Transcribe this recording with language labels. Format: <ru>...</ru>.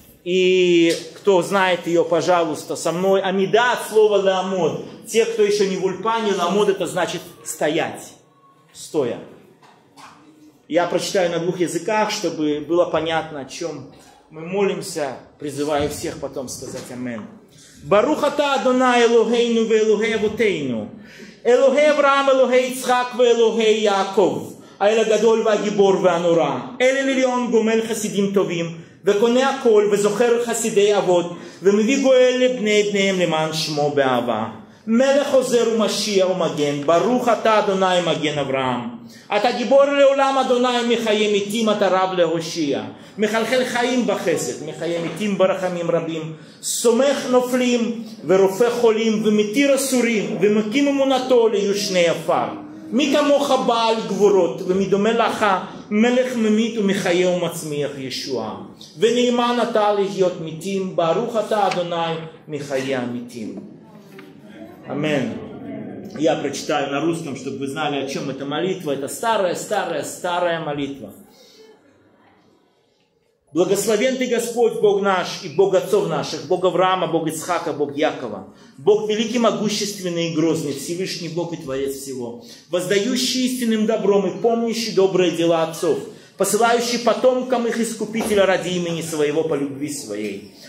<ru>И кто знает ее, пожалуйста, со мной. Амида от слова ламод. Те, кто еще не в Ульпане, ламод это значит стоять, стоя. Я прочитаю на двух языках, чтобы было понятно, о чем мы молимся. Призываю всех потом сказать амен.</ru> <he>Барух ата Адонай Элогейну ואלוהי אבותינו, אלוהי אברהם, אלוהי יצחק ואלוהי יעקב, האל הגדול והגיבור והנורא, אל עליון גומל חסידים טובים, וקונה הכל וזוכר חסידי אבות, ומביא גואל לבני בניהם למען שמו באהבה. מלך עוזר ומשיע ומגן, ברוך אתה אדוני מגן אברהם. אתה גיבור לעולם אדוני מחיי מתים אתה רב להושיע. מחלחל חיים בחסד, מחיי מתים ברחמים רבים. סומך נופלים ורופא חולים ומתיר אסורים ומקים אמונתו ליושני עפר. מי כמוך בעל גבורות ומדומה לך מלך ממית ומחיי ומצמיח ישועה. ונאמן אתה להיות מתים, ברוך אתה אדוני מחיי המתים. Амен.</he> <ru>Я прочитаю на русском, чтобы вы знали, о чем эта молитва. Это старая молитва. Благословен ты, Господь, Бог наш и Бог отцов наших, Бог Авраама, Бог Ицхака, Бог Якова, Бог великий, могущественный и грозный, Всевышний Бог и Творец всего, воздающий истинным добром и помнящий добрые дела отцов, посылающий потомкам их Искупителя ради имени своего по любви своей.</ru>